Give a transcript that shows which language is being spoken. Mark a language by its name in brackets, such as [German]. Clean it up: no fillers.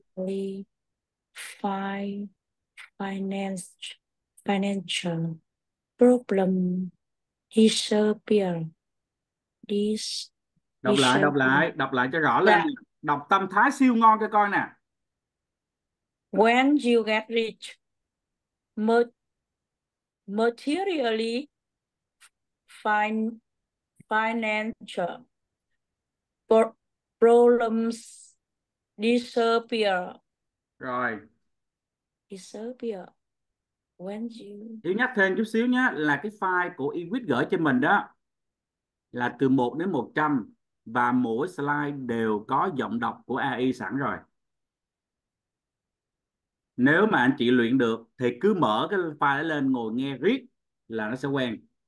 [English] rich, materially, financial problem disappear. This [Vietnamese] Đọc [English] disappear. [Vietnamese] lại cho rõ lên. Dạ. Đọc tâm thái siêu ngon cho coi nè. [English] When you get rich, materially, financial problems disappear. [Vietnamese] Rồi. [English] Disappear. When you [Vietnamese] Yêu nhắc thêm chút xíu nhé, là cái file của Equip gửi cho mình đó là từ 1 đến 100 và mỗi slide đều có giọng đọc của AI sẵn rồi. Nếu mà anh chị luyện được thì cứ mở cái file đó lên ngồi nghe riết là nó sẽ quen.